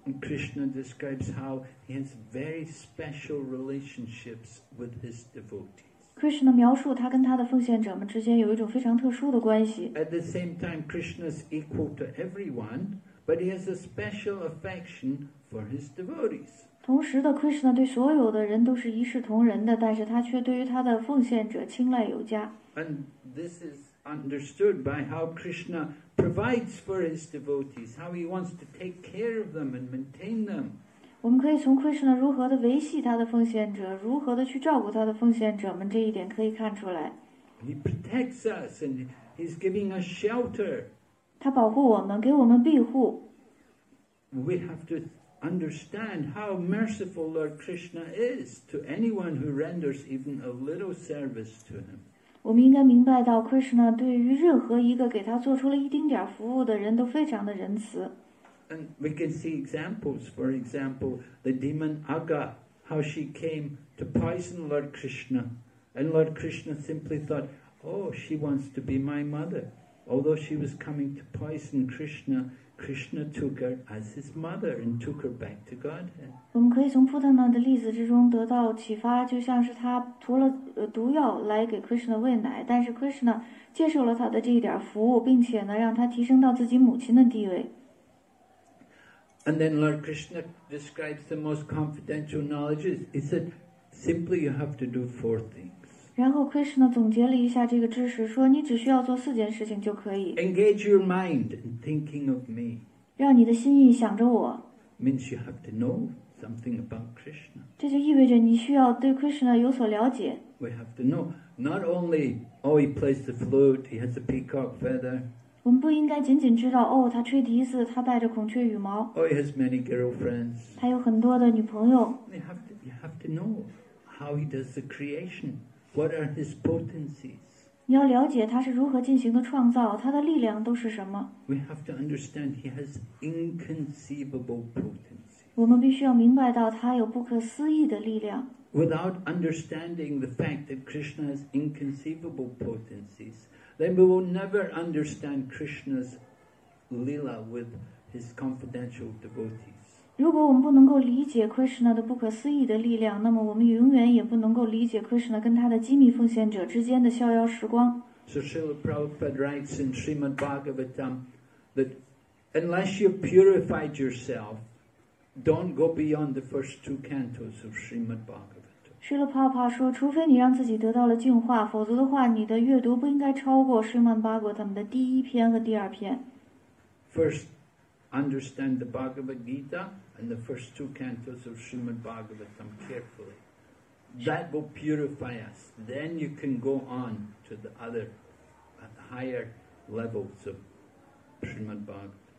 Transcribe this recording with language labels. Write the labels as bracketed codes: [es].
[en] Krishna describes how he has very special relationships with his devotees. [zh] Krishna 描述他跟他的奉献者们之间有一种非常特殊的关系。 [en] At the same time, Krishna is equal to everyone, but he has a special affection for his devotees. [zh] 同时的 Krishna 对所有的人都是一视同仁的，但是他却对于他的奉献者青睐有加。 [en] And this is understood by how Krishna provides for his devotees, how he wants to take care of them and maintain them. [zh] 我们可以从 Krishna 如何的维系他的奉献者，如何的去照顾他的奉献者们，这一点可以看出来。 [en] He protects us and he's giving us shelter. [zh] 他保护我们，给我们庇护。 [en] We have to understand how merciful Lord Krishna is to anyone who renders even a little service to him. [zh] 我们应该明白到 Krishna 对于任何一个给他做出了一丁点服务的人都非常的仁慈。 [en] And we can see examples, for example, the demon Aga, how she came to poison Lord Krishna. And Lord Krishna simply thought, oh, she wants to be my mother. Although she was coming to poison Krishna, Krishna took her as his mother and took her back to Godhead. [zh] 我们可以从 Putana 的例子之中得到启发，就像是他涂了毒药来给 Krishna 喂奶，但是 Krishna 接受了他的这一点服务，并且呢，让他提升到自己母亲的地位。 [en] And then Lord Krishna describes the most confidential knowledge. He said, simply you have to do four things. [zh] 然后 Krishna 总结了一下这个知识，说你只需要做四件事情就可以。 [en] Engage your mind in thinking of me. [zh] 让你的心意想着我。 [en] Means you have to know something about Krishna. [zh] 这就意味着你需要对 Krishna 有所了解。 [en] We have to know. Not only, oh, he plays the flute, he has a peacock feather. [zh] 我们不应该仅仅知道，哦，他吹笛子，他带着孔雀羽毛。 [en] Oh, he has many girlfriends. [zh] 他有很多的女朋友。 [en] You have to know how he does the creation. What are his potencies? [zh] 你要了解他是如何进行的创造，他的力量都是什么。 [en] We have to understand he has inconceivable potencies. [zh] 我们必须要明白到他有不可思议的力量。 [en] Without understanding the fact that Krishna has inconceivable potencies,then we will never understand Krishna's lila with his confidential devotees. [zh] 如果我们不能够理解 Krishna 的不可思议的力量，那么我们永远也不能够理解 Krishna 跟他的机密奉献者之间的逍遥时光。 [en] So Srila Prabhupada writes in Srimad Bhagavatam that unless you've purified yourself, don't go beyond the first two cantos of Srimad Bhagavatam. [zh] 释勒帕帕说，除非你让自己得到了净化，否则的话你的阅读不应该超过施曼巴格他们的第一篇和第二篇。 [en] First, understand the Bhagavad Gita and the first two cantos of Srimad Bhagavatam carefully. That will purify us. Then you can go on to the other, at the higher levels of Srimad Bhagavatam.